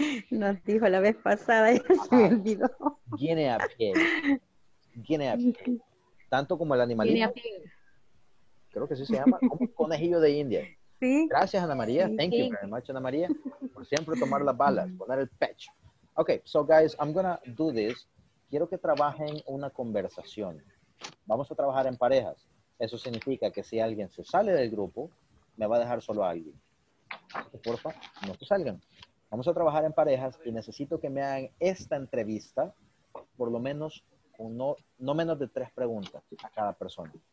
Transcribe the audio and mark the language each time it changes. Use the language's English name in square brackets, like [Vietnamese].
[Spanish] Nos dijo la vez pasada, ya se me olvidó. Guinea pig. Guinea pig. Tanto como el animalito. Guinea pig. Creo que así se llama. Como conejillo de India. Sí. Gracias, [English] Ana María. [Spanish] Sí, [English] thank you very much, Ana María. [Spanish] Por siempre tomar las balas, poner el pecho. [English] Okay, so guys, I'm going to do this. [Spanish] Quiero que trabajen una conversación. Vamos a trabajar en parejas. Eso significa que si alguien se sale del grupo, me va a dejar solo a alguien. Por favor, no se salgan. Vamos a trabajar en parejas y necesito que me hagan esta entrevista por lo menos no menos de 3 preguntas a cada persona.